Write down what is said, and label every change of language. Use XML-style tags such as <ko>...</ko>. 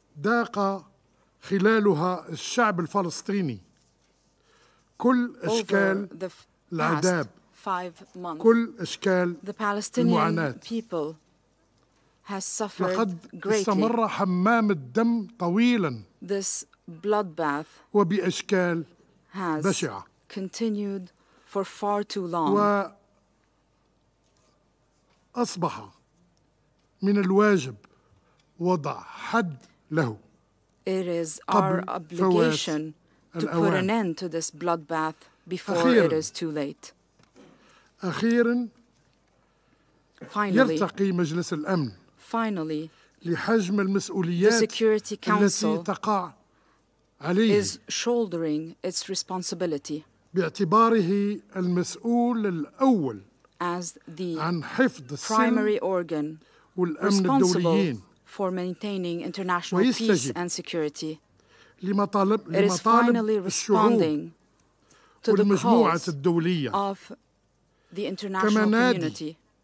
<ar>داق خلالها الشعب الفلسطيني كل أشكال</ar> <en>over the past 5 months, the Palestinian people has suffered greatly. This bloodbath has continued for far too long.</en> <ar>أصبح من الواجب وضع حد له.</ar> <en>It is our obligation to put an end to this bloodbath before it is too late.</en> <ar>أخيراً يلتقي مجلس الأمن لحجم المسؤوليات التي تقع عليه.</ar> <en>Is shouldering its responsibility.</en> <ar>باعتباره المسؤول الأول.</ar> <en>As the primary organ responsible for maintaining international peace and security, it is finally responding to the calls of the international community.</en>